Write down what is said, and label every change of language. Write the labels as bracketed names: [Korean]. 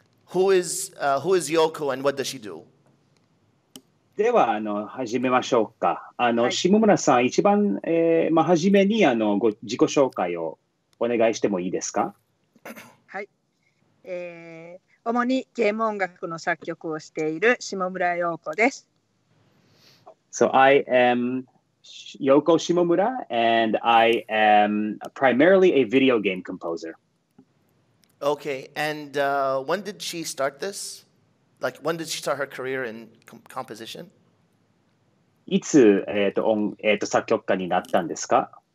[English] Who is Yoko and what does she do? [Japanese] では始めましょうか。はい、下村さん、一番、初めに自己紹介をお願いしてもいいですか？はい、主にゲーム音楽の作曲をしている下村ヨーコです。 [English] So I am Yoko Shimomura and I am primarily a video game composer. Okay, and when did she start this? Like, when did she start her career in composition? [Japanese] いつ、作曲家になったんですか？